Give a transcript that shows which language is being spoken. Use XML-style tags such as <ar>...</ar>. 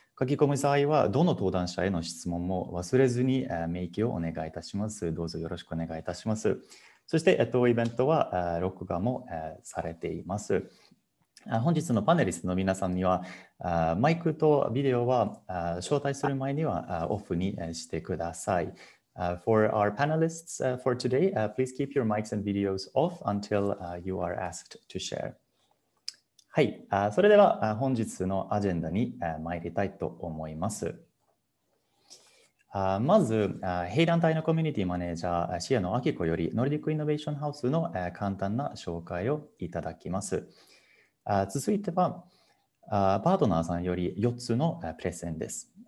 <ja>書き込む際は、どの登壇者への質問も忘れずに明記をお願いいたします。どうぞよろしくお願いいたします。そして、当イベントは録画もされています。本日のパネリストの皆さんには、マイクとビデオは招待する前にはオフにしてください。</ja> <en>For our panelists for today, please keep your mics and videos off until you are asked to share.</en> <ja>それでは本日のアジェンダに参りたいと思います。まず、ヘイラン隊のコミュニティマネージャー、シアノアキコより、ノルディックイノベーションハウスの簡単な紹介をいただきます。続いては、パートナーさんより4つのプレゼンです。</ja>